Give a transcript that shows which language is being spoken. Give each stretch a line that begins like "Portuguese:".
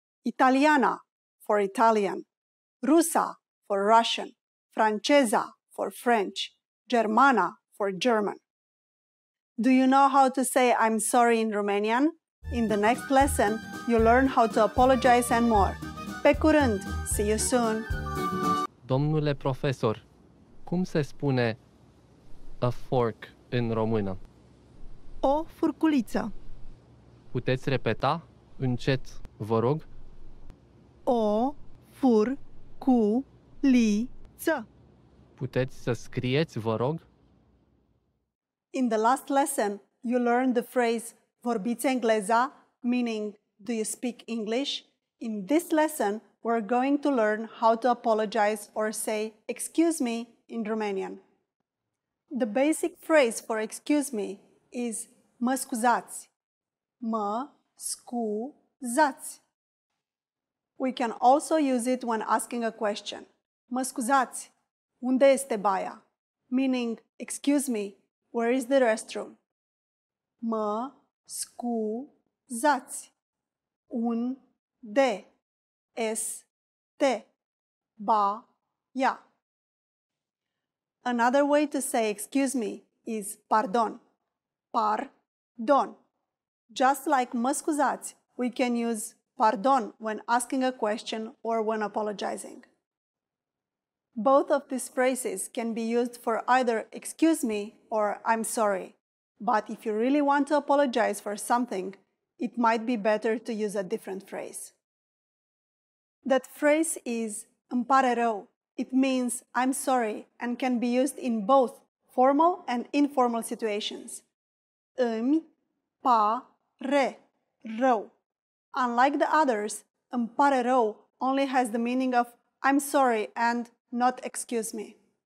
English: Italiana for Italian, Rusa for Russian, Francesa for French, Germana for German. Do you know how to say I'm sorry in Romanian? In the next lesson, you'll learn how to apologize and more.
Romanian: Pe curând!
English: See you soon!
Romanian: Domnule profesor, cum se spune
English: a fork
Romanian: în română? O furculiță. Puteți repeta încet, vă rog? O furculiță. Puteți să scrieți, vă rog?
English: In the last lesson, you learned the phrase
Romanian: vorbiți engleza,
English: meaning do you speak English? In this lesson, we're going to learn how to apologize or say excuse me in Romanian. The basic phrase for excuse me is
Romanian: mă scuzați. Mă scuzați.
English: We can also use it when asking a question.
Romanian: Mă scuzați, unde este baia?
English: Meaning, excuse me, where is the restroom?
Romanian: Mă scuzați, unde este baia?
English: Another way to say excuse me is pardon. Pardon. Just like
Romanian: mă scuzați,
English: we can use pardon when asking a question or when apologizing. Both of these phrases can be used for either excuse me or I'm sorry. But if you really want to apologize for something, it might be better to use a different phrase. That phrase is
Romanian: îmi pare rău.
English: It means I'm sorry and can be used in both formal and informal situations.
Romanian: Îmi pare rău.
English: Unlike the others,
Romanian: îmi pare rău
English: only has the meaning of I'm sorry and not excuse me.